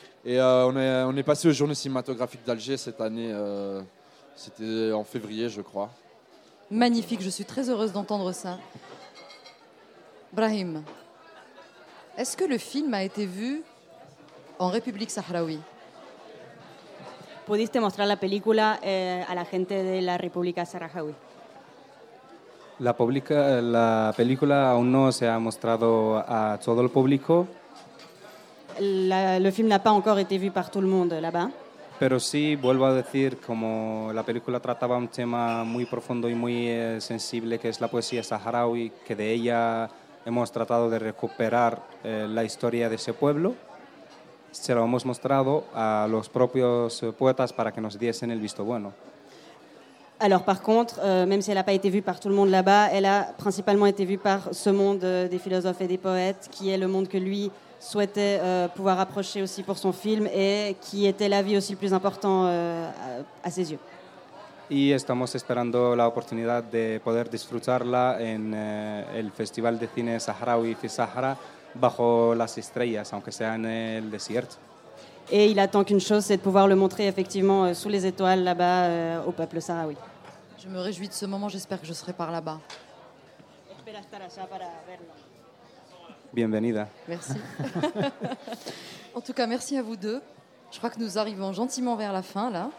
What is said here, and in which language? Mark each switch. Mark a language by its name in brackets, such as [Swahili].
[French] Et on est passé aux journées cinématographiques d'Alger cette année, c'était en février je crois. Magnifique, je suis très heureuse d'entendre ça. Brahim, est-ce que le film a été vu en République Sahraoui ? [Spanish] Pudiste mostrar la película a la gente de la República Sahraoui ? La película aún no se ha mostrado a todo el público. [French] Le film n'a pas encore été vu par tout le monde là-bas. [Spanish] Pero sí, vuelvo a decir, como la película trataba un tema muy profundo y muy sensible, que es la poesía saharaui, que de ella hemos tratado de recuperar la historia de ese pueblo, se lo hemos mostrado a los propios poetas para que nos diesen el visto bueno. [French] Alors par contre, même si elle n'a pas été vue par tout le monde là-bas, elle a principalement été vue par ce monde des philosophes et des poètes, qui est le monde que lui souhaitait pouvoir approcher aussi pour son film et qui était l'avis aussi le plus important à ses yeux. [Spanish] Y estamos esperando la oportunidad de poder disfrutarla en el Festival de Cine Saharaui Fisahara bajo las estrellas, aunque sea en el desierto. [French] Et il attend qu'une chose, c'est de pouvoir le montrer effectivement sous les étoiles là-bas au peuple sahraoui. Je me réjouis de ce moment, j'espère que je serai par là-bas. [Spanish] Espera estar allá para verlo. Bienvenida. [French] Merci. En tout cas, merci à vous deux. Je crois que nous arrivons gentiment vers la fin, là.